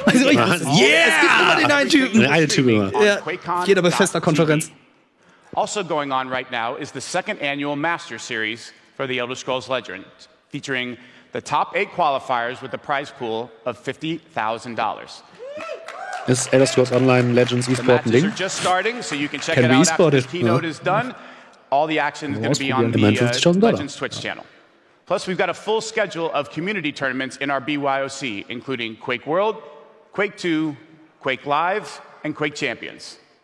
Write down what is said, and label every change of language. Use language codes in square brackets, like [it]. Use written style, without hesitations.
[de] Also, ich weiß, yeah! Es gibt immer den einen Typen. Der eine Typ immer. Ja. Jeder bei fester Konferenz. [en] Also going on right now is the second annual Master Series for The Elder Scrolls Legends, featuring the top 8 qualifiers with a prize pool of $50,000. [de] Ist Elder Scrolls Online Legends eSport ein Ding? [en] Starting, so you can check it out after this keynote is done. All the action is going to be on the Legends Twitch channel. Plus, we've got a full schedule of community tournaments in our BYOC, including Quake World, Quake 2, Quake Live, and Quake Champions.